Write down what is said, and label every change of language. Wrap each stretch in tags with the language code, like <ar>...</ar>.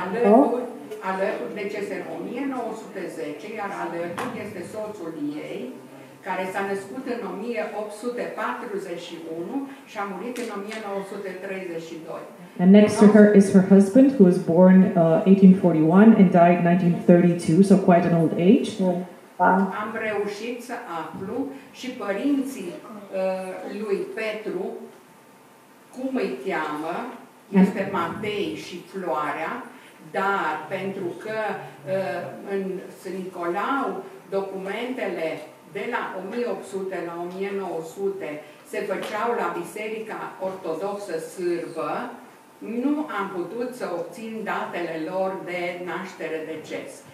<ro>Alături, deci este 1910, iar alături este soțul ei, care s-a născut în 1841 și a murit în 1932.</ro> <en>And next to her is her husband, who was born 1841 and died 1932, so quite an old age.</en> <ro>Am reușit să aflu și părinții lui Petru, cum îi cheamă, este Matei și Floarea. Dar pentru că în Sânnicolau documentele de la 1800 la 1900 se făceau la Biserica Ortodoxă Sârbă, nu am putut să obțin datele lor de naștere-deces.</ro>